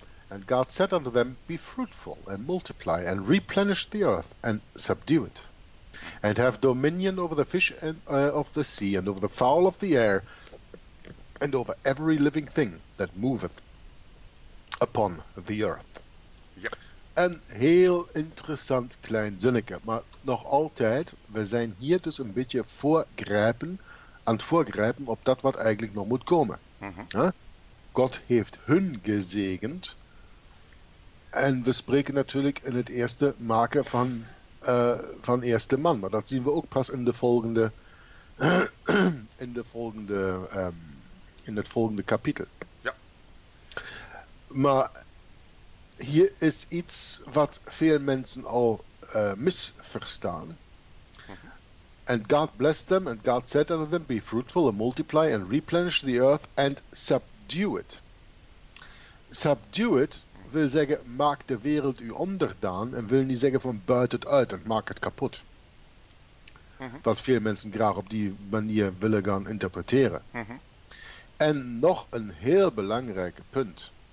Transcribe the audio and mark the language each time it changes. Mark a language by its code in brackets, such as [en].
[en] And God said unto them, be fruitful and multiply and replenish the earth and subdue it. And have dominion over the fish and, of the sea, and over the fowl of the air, and over every living thing that moveth upon the earth. [nl] Ja. Een heel interessant klein zinnetje. Maar nog altijd, we zijn hier dus een beetje voorgrijpen aan het voorgrijpen op dat wat eigenlijk nog moet komen. Mm-hmm. God heeft hun gezegend. En we spreken natuurlijk in het eerste maken van eerste man. Maar dat zien we ook pas in de volgende... in het volgende kapitel. Ja. Maar hier is iets wat veel mensen al misverstaan. Mm-hmm. [en] And God blessed them, and God said unto them, be fruitful, and multiply, and replenish the earth, and subdue it. Subdue it [nl] wil zeggen, maak de wereld u onderdaan, en wil niet zeggen van buit het uit en maak het kapot. Mm-hmm. Wat veel mensen graag op die manier willen gaan interpreteren. Mm-hmm. En nog een heel belangrijk punt.